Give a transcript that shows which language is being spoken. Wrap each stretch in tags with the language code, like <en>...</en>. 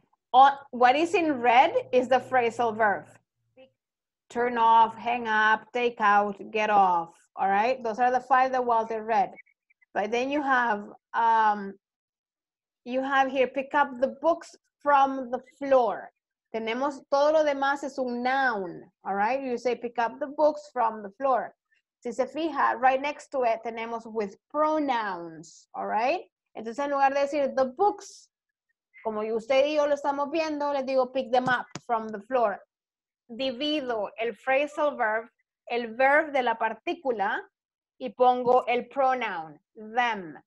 <en>What is in red is the phrasal verb. Turn off, hang up, take out, get off. All right, those are the 5 that Walter read. But then you have here, pick up the books from the floor.</en> <es>Tenemos, todo lo demás es un noun,</es> <en>all right? You say, pick up the books from the floor.</en> <es>Si se fija,</es> <en>right next to it,</en> <es>tenemos</es> <en>with pronouns, all right?</en> <es>Entonces, en lugar de decir</es> <en>the books,</en> <es>como usted y yo lo estamos viendo, les digo,</es> <en>pick them up from the floor.</en> <es>Divido el phrasal verb, el verb de la partícula, y pongo el pronoun, them.</es>